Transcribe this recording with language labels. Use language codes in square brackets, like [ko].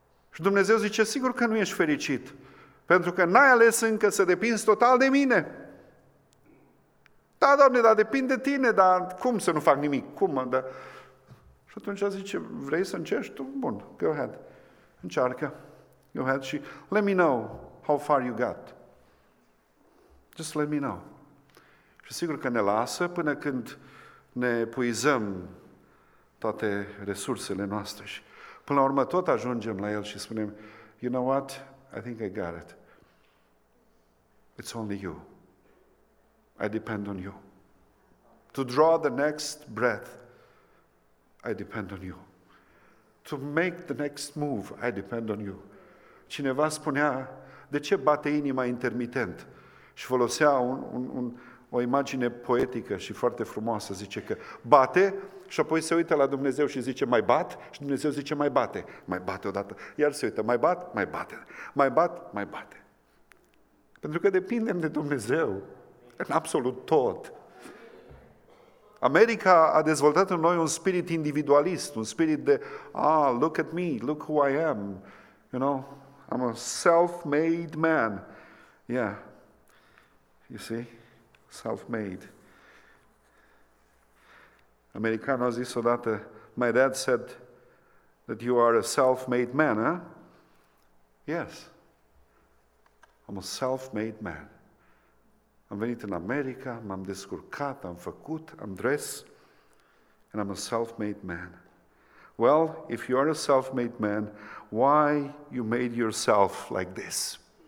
[ro] Și Dumnezeu zice, sigur că nu ești fericit, pentru că n-ai ales încă să depinzi total de mine. Da, Doamne, dar depind de tine, dar cum să nu fac nimic? Cum? Da. Și atunci zice, vrei să încerci tu? Bun, [en] go ahead, [ro] încearcă. [en] You had she. Let me know how far you got. Just let me know. [ro] Și sigur că ne lasă până când ne epuizăm toate resursele noastre. Și până la urmă tot ajungem la el și spunem, [en] you know what? I think I got it. It's only you. I depend on you. To draw the next breath, I depend on you. To make the next move, I depend on you. [ro] Cineva spunea, de ce bate inima intermitent? Și folosea o imagine poetică și foarte frumoasă, zice că bate și apoi se uită la Dumnezeu și zice, mai bat? Și Dumnezeu zice, mai bate, mai bate odată. Iar se uită, mai bat? Mai bate. Mai bat? Mai bate. Pentru că depindem de Dumnezeu în absolut tot. America a dezvoltat în noi un spirit individualist, un spirit de, [en] look at me, look who I am, you know? I'm a self-made man. Yeah. You see? Self-made. [ro] Americanul a zis odată, [en] my dad said that you are a self-made man, huh? Yes. I'm a self-made man. [ro] Am venit în America, m-am descurcat, am făcut, am dres, [en] and I'm a self-made man. Well, if you are a self-made man, why you made yourself like this?